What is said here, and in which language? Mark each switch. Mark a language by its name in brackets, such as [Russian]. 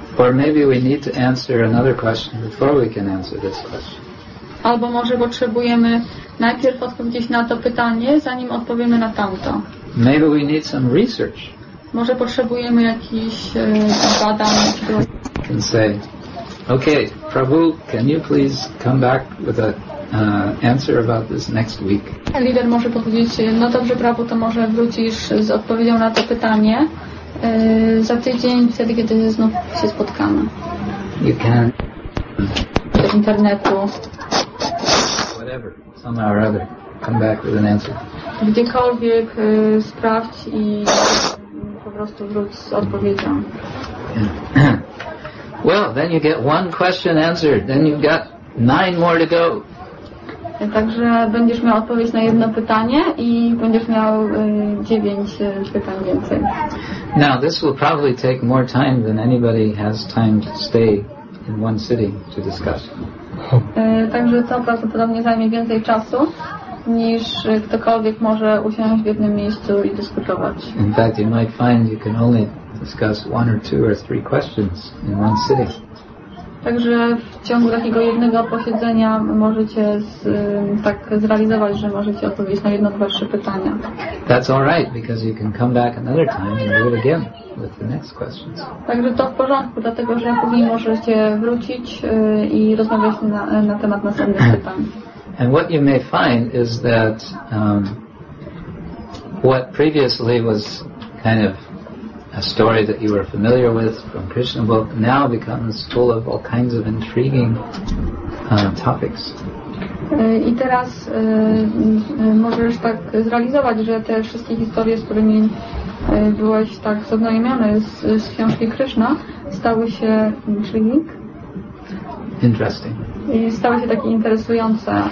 [English] Or maybe we need to answer another question before we can answer this question. [Polish] Albo może potrzebujemy najpierw odpowiedzieć na to pytanie, zanim odpowiemy na tamto. [English] Maybe we need some research. [Polish] Może potrzebujemy jakichś badań. [English] Can say, okay, Prabhu, can you please come back with an answer about this next week? [Polish] Lider może powiedzieć, no dobrze, Prabhu, to może wrócisz z odpowiedzią na to pytanie za tydzień, wtedy, kiedy znów się spotkamy. [English] You can. [Polish] Z internetu. [English] Whatever, somehow or other, come back with an answer. [Polish] Gdziekolwiek sprawdź i po prostu wróć z odpowiedzią. [English] Yeah. Well, then you get one question answered, then you've got nine more to go. [Polish] Także będziesz miał odpowiedź na jedno pytanie i będziesz miał dziewięć pytań więcej. [English] Now, this will probably take more time than anybody has time to stay in one sitting to discuss. [Polish] Także to prawdopodobnie zajmie więcej czasu, niż ktokolwiek może usiąść w jednym miejscu i dyskutować. [English] In fact, you might find you can only discuss one or two or three questions in one sitting. [Polish] Także w ciągu takiego jednego posiedzenia możecie tak zrealizować, że możecie odpowiedzieć na jedno, dwa, trzy pytania. [English] That's all right, because you can come back another time and do it again with the next questions. [Polish] Także to w porządku, dlatego że później możecie wrócić i rozmawiać na temat następnych pytań. [English] And what you may find is that what previously was kind of a story that you were familiar with from Krishna book now becomes full of all kinds of intriguing topics. [Polish] I teraz możesz tak zrealizować, że te wszystkie historie, z którymi byłeś tak zaznajomiony z książki Krishna, stały się intriguing. [English] Interesting. [Polish] I stały się takie interesujące.